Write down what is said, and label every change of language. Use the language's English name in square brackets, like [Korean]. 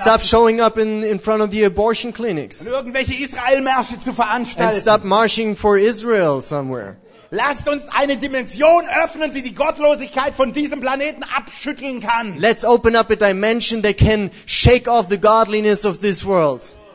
[English] Stop showing up in front of the abortion clinics. [German] Und irgendwelche Israelmärsche zu veranstalten. [English] And stop marching for Israel somewhere. [German] Lasst uns eine Dimension öffnen, die die Gottlosigkeit von diesem Planeten abschütteln kann. [English] Let's open up a dimension that can shake off the godliness of this world.